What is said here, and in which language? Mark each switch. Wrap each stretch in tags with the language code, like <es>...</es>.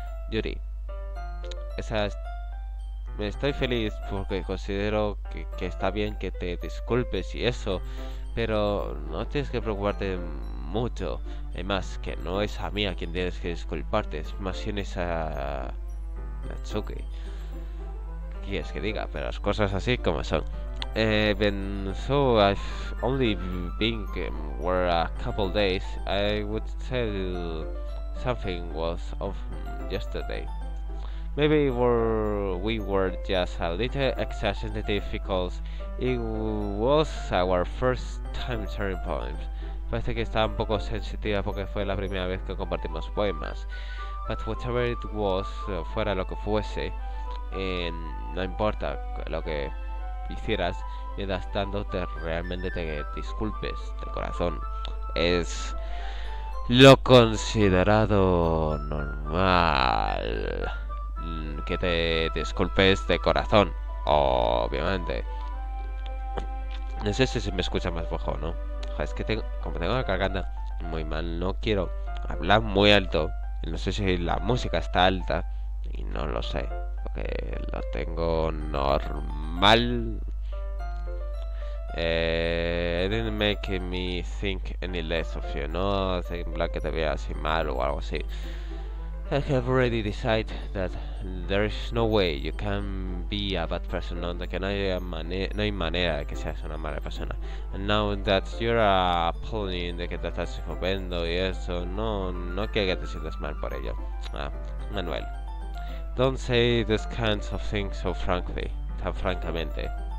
<es>Yuri, me estoy feliz porque considero que está bien que te disculpes y eso, pero no tienes que preocuparte mucho. Además, que no es a mí a quien tienes que disculparte, es más bien a Natsuki. Quieres que diga, pero las cosas así como son.</es> <en>So I've only been where a couple days. I would tell you something was off yesterday. Maybe we were just a little extra sensitive because it was our first time sharing poems.</en> <es>Parece que estaba un poco sensitiva porque fue la primera vez que compartimos poemas.</es> <en>But whatever it was,</en> <es>fuera lo que fuese. No importa lo que hicieras, mientras tanto realmente te disculpes de corazón. Es lo considerado normal que te disculpes de corazón, obviamente. No sé si se me escucha más bajo, ¿no? Es que como tengo la garganta muy mal, no quiero hablar muy alto. No sé si la música está alta y no lo sé. Que lo tengo normal.</es> <en>It didn't make me think any less of you.</en> <es>No hace en plan que te vea así mal o algo así.</es> <en>I have already decided that there is no way you can be a bad person.</en> <es>No, que no hay manera de que seas una mala persona.</es> <en>And now that you're pulling,</en> <es>de que te estás jodiendo y eso, no quiero que te sientas mal por ello. Manuel.</es> <en>Don't say these kinds of things so frankly,</en> <es>tan francamente.</es>